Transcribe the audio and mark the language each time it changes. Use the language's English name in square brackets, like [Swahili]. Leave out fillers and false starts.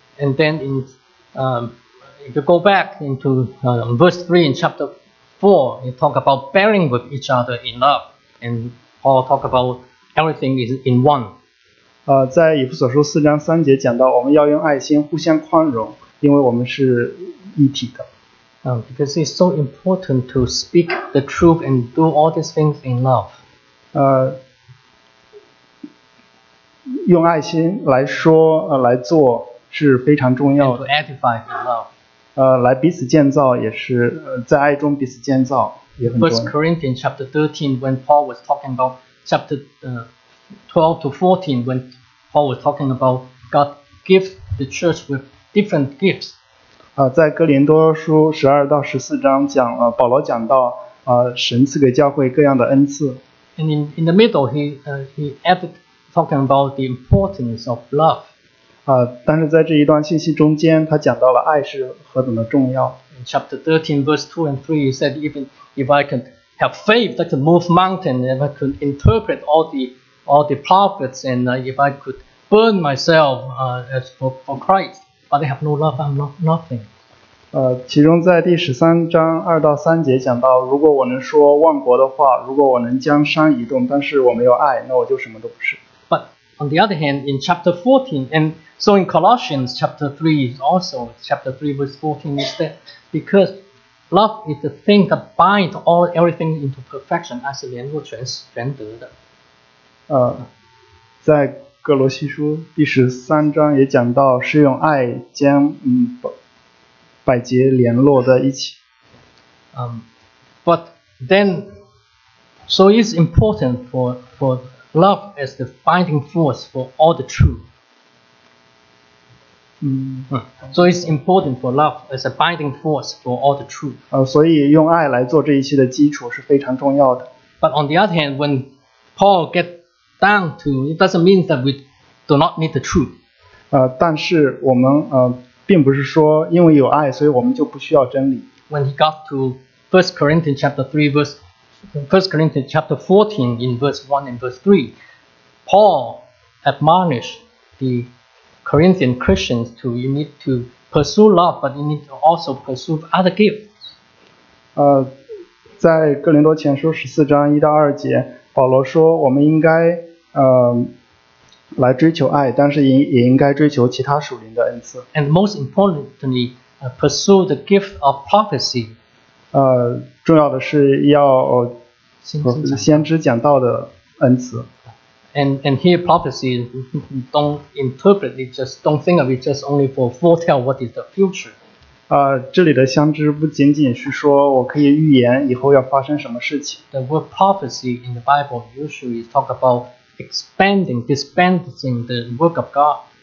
[English] And then if you go back into verse 3 in chapter 4, you talk about bearing with each other in love, and Paul talk about everything is in one. [Chinese] 在以弗所书四章三节讲到，我们要用爱心互相宽容，因为我们是一体的。 [English] Because it's so important to speak the truth and do all these things in love. [Chinese] 用爱心来说来做是非常重要的。 [English] And to edify in love. [Chinese] 来彼此建造也是在爱中彼此建造也很重要。 [English] First Corinthians chapter 13, when Paul was talking about chapter 12 to 14, when Paul was talking about God gives the church with different gifts. [Chinese] 在哥林多书十二到十四章讲了，保罗讲到神赐给教会各样的恩赐。 [English] And in the middle, he added talking about the importance of love. [Chinese] 但是在这一段信息中间，他讲到了爱是何等的重要。 [English] In chapter 13, verse 2 and 3, he said, even if I can have faith that can move mountain, if I could interpret all the prophets, and if I could burn myself as for Christ, but I have no love, I'm not nothing. [Chinese] 其中在第十三章二到三节讲到，如果我能说万国的话，如果我能将山移动，但是我没有爱，那我就什么都不是。 [English] But on the other hand, in chapter 14, and so in Colossians chapter 3 is also chapter 3 verse 14 is that because love is the thing that binds all everything into perfection, as [Chinese] 连络全全德的。在哥罗西书第十三章也讲到是用爱将百节联络在一起。 [English] But then, so it's important for love as the binding force for all the truth. So it's important for love as a binding force for all the truth. [Chinese] 所以用爱来做这一切的基础是非常重要的。 [English] But on the other hand, when Paul gets down to, it doesn't mean that we do not need the truth. [Chinese] 但是我们并不是说因为有爱所以我们就不需要真理。 [English] When he got to 1 Corinthians chapter 3 verse 1 Corinthians chapter 14 in verse 1 and verse 3, Paul admonished the Corinthian Christians to, you need to pursue love, but you need to also pursue other gifts. [Chinese] 在哥林多前书十四章一到二节，保罗说我们应该来追求爱，但是 也应该追求其他属灵的恩赐。 [English] And most importantly, pursue the gift of prophecy. [Chinese] 重要的是要先知讲道的恩赐。 [English] And here prophecy, don't interpret it, just don't think of it just only for foretell what is the future. [Chinese] 这里的先知不仅仅是说我可以预言以后要发生什么事情。 [English] The word prophecy in the Bible usually talk about expanding, dispensing the work of God.